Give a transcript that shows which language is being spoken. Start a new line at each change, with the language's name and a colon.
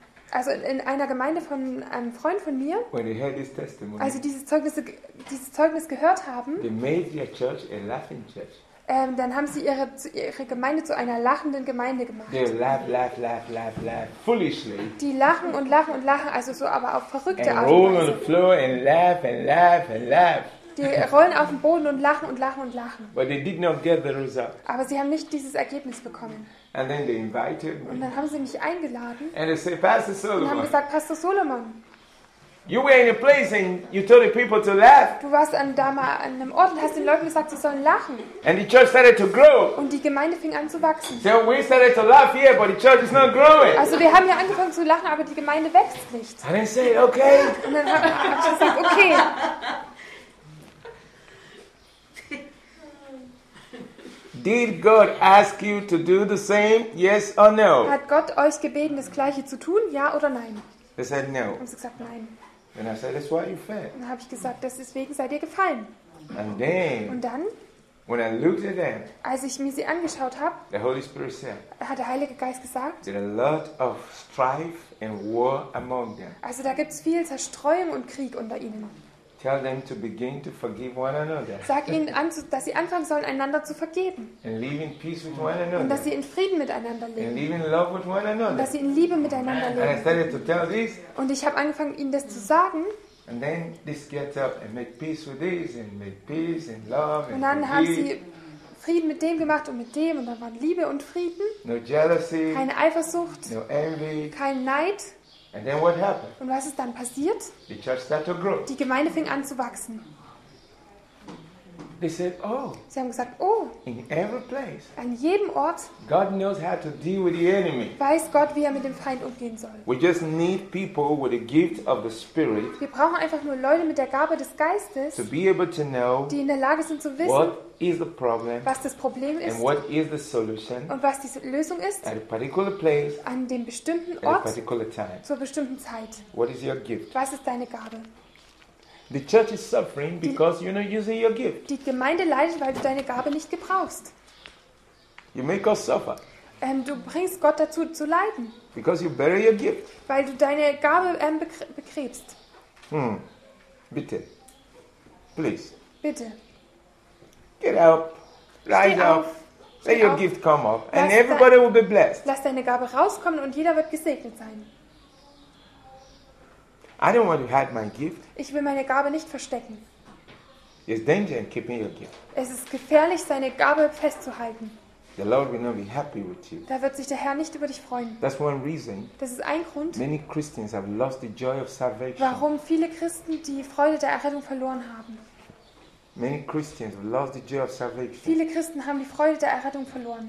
German: Also in einer Gemeinde von einem Freund von mir.
English: When they heard this testimony.
German: Also dieses Zeugnis gehört haben.
English: They made their church a laughing church.
German: Dann haben sie ihre Gemeinde zu einer lachenden Gemeinde gemacht.
English: They laugh, foolishly.
German: Die lachen und lachen und lachen, also so, aber auf verrückte Art.
English: And roll on the floor and laugh and laugh and laugh.
German: Die rollen auf dem Boden und lachen und lachen und lachen.
English: But they did not get the result.
German: Aber sie haben nicht dieses Ergebnis bekommen.
English: And then they invited me.
German: Und dann haben sie mich eingeladen.
English: And they said, Pastor Solomon.
German: Und haben gesagt, Pastor Solomon.
English: You were in a place and you told the people to laugh.
German: Du warst an einem Ort und hast den Leuten gesagt, sie sollen lachen.
English: And the church started to grow.
German: Und die Gemeinde fing an zu wachsen.
English: So we started to laugh here, but the church is not growing.
German: Also wir haben hier angefangen zu lachen, aber die Gemeinde wächst nicht.
English: And I said, okay.
German: Und dann habe ich gesagt, okay.
English: Did God ask you to do the same? Yes or no?
German: Hat Gott euch gebeten, das Gleiche zu tun? Ja oder nein?
English: They said no.
German: Und sie gesagt nein.
English: And I said that's why you failed.
German: Dann habe ich gesagt, deswegen seid ihr gefallen.
English: And then.
German: Und dann?
English: When I looked at them.
German: Als ich mir sie angeschaut habe.
English: The Holy Spirit said.
German: Hat der Heilige Geist gesagt?
English: There's a lot of strife and war among them.
German: Also da gibt's viel Zerstreuung und Krieg unter ihnen.
English: Tell them to begin to forgive one another.
German: Sag ihnen, dass sie anfangen sollen, einander zu vergeben.
English: And live in peace with one another.
German: Und dass sie in Frieden miteinander leben.
English: And live in love with one another.
German: Und dass sie in Liebe miteinander leben.
English: And I started to tell this.
German: Und ich habe angefangen, ihnen das zu sagen.
English: And then this gets up and make peace with this and make peace and love and
German: und dann
English: forgive.
German: Haben sie Frieden mit dem gemacht und mit dem und dann waren Liebe und Frieden.
English: No jealousy.
German: Keine Eifersucht.
English: No envy.
German: Kein Neid.
English: And then what happened?
German: Und was ist dann passiert?
English: The church started to grow.
German: Die Gemeinde fing an zu wachsen.
English: They said, oh.
German: Sie haben gesagt, oh.
English: In every place.
German: An jedem Ort.
English: God knows how to deal with the enemy.
German: Weiß Gott, wie er mit dem Feind umgehen soll.
English: We just need people with the gift of the Spirit.
German: Wir brauchen einfach nur Leute mit der Gabe des Geistes.
English: To be able to know.
German: Die in der Lage sind zu wissen.
English: What is the problem?
German: Was das Problem ist?
English: And what is the solution?
German: Und was die Lösung ist?
English: At a particular place.
German: An dem bestimmten Ort.
English: At a particular time.
German: Zur bestimmten Zeit.
English: What is your gift?
German: Was ist deine Gabe?
English: The church is suffering because you're not using your gift.
German: Die Gemeinde leidet, weil du deine Gabe nicht gebrauchst.
English: You make us suffer.
German: Du bringst Gott dazu zu leiden.
English: Because you bury your gift.
German: Weil du deine Gabe begräbst.
English: Hm.
German: Bitte.
English: Please.
German: Bitte.
English: Get up. Rise up. Let your gift come up. And everybody will be blessed.
German: Lass deine Gabe rauskommen und jeder wird gesegnet sein.
English: I don't want to hide my gift.
German: Ich will meine Gabe nicht verstecken.
English: It's dangerous keeping your gift.
German: Es ist gefährlich, seine Gabe festzuhalten.
English: The Lord will not be happy with you.
German: Da wird sich der Herr nicht über dich freuen.
English: That's one reason.
German: Das ist ein Grund.
English: Many Christians have lost the joy of salvation.
German: Warum viele Christen die Freude der Errettung verloren haben.
English: Many Christians have lost the joy of salvation.
German: Viele Christen haben die Freude der Errettung verloren.